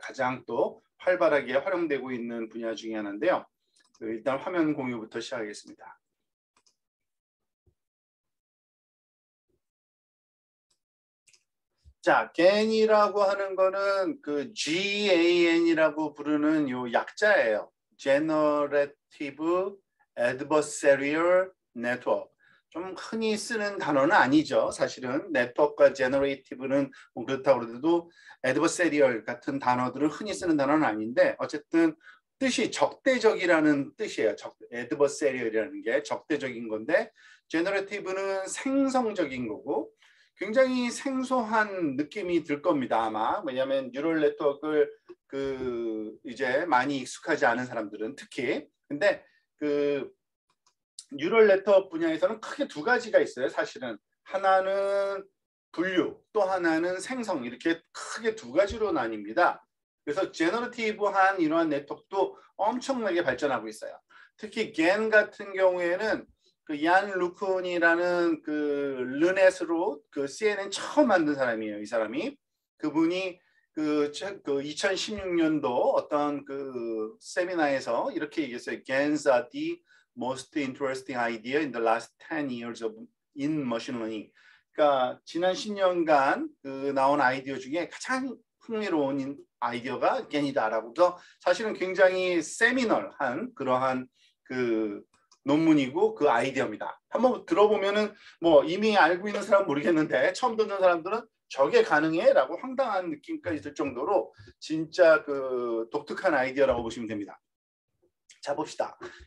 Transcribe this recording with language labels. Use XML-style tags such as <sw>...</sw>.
<ko>가장 또 활발하게 활용되고 있는 분야 중에 하나인데요. 일단 화면 공유부터 시작하겠습니다. 자, GAN이라고 하는 거는 그 GAN이라고 부르는 요 약자예요.</ko> <en>Generative Adversarial Network.</en> <ko>좀 흔히 쓰는 단어는 아니죠. 사실은 네트워크와 Generative는 뭐 그렇다고 그래도 Adversarial 같은 단어들을 흔히 쓰는 단어는 아닌데, 어쨌든 뜻이 적대적이라는 뜻이에요. Adversarial이라는 게 적대적인 건데, Generative는 생성적인 거고, 굉장히 생소한 느낌이 들 겁니다, 아마. 왜냐하면 뉴럴 네트워크를 이제 많이 익숙하지 않은 사람들은 특히. 근데 뉴럴 네트워크 분야에서는 크게 두 가지가 있어요, 사실은. 하나는 분류, 또 하나는 생성. 이렇게 크게 두 가지로 나뉩니다. 그래서 제너러티브한 이러한 네트워크도 엄청나게 발전하고 있어요. 특히 GAN 같은 경우에는 그얀 루쿤이라는 르넷으로 CNN 처음 만든 사람이에요, 이 사람이. 그분이 2016년도 어떤 세미나에서 이렇게 얘기했어요.</ko> <en>GANs are the most interesting idea in the last 10 years of in machine learning.</en> <ko>그러니까 지난 10년간 나온 아이디어 중에 가장 흥미로운 아이디어가 GAN이다라고도, 사실은 굉장히 세미널한 그러한 논문이고 그 아이디어입니다. 한번 들어보면은 뭐 이미 알고 있는 사람 모르겠는데, 처음 듣는 사람들은 저게 가능해라고 황당한 느낌까지 들 정도로 진짜 독특한 아이디어라고 보시면 됩니다. 자, 봅시다.</ko>